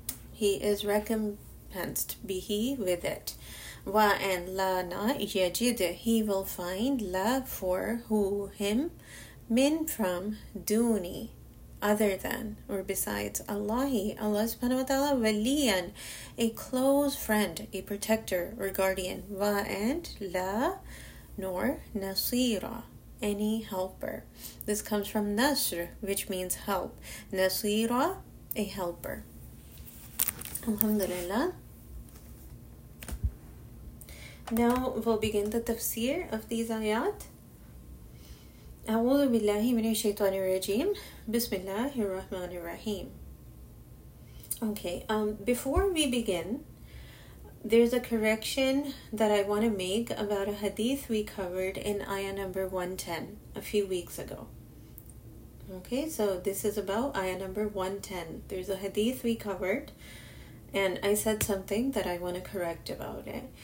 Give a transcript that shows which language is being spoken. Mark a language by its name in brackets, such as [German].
[English] he is recompensed, bihi, with it, wa and la na yajid, he will find, la, for, who, him, min, from, duni, other than or besides Allahi, Allah subhanahu wa ta'ala, waliyan, a close friend, a protector or guardian, wa and la, nor nasira, any helper. This comes from nasr, which means help. Nasira, a helper. Alhamdulillah. Now we'll begin the tafsir of these ayat. [Arabic] أعوذ بالله من الشيطان الرجيم بسم الله الرحمن الرحيم. [English] Okay, before we begin, there's a correction that I want to make about a hadith we covered in ayah number 110 a few weeks ago. Okay, so this is about ayah number 110. There's a hadith we covered, and I said something that I want to correct about it.